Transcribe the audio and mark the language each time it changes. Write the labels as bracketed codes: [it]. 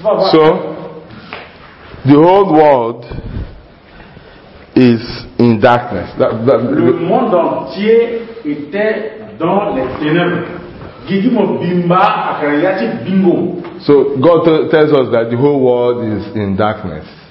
[en] So, the whole world is in darkness. [fr] Le monde entier était dans les ténèbres. Gidimo bimba akariyati bingo. [en] So, God tells us that the whole world is in darkness.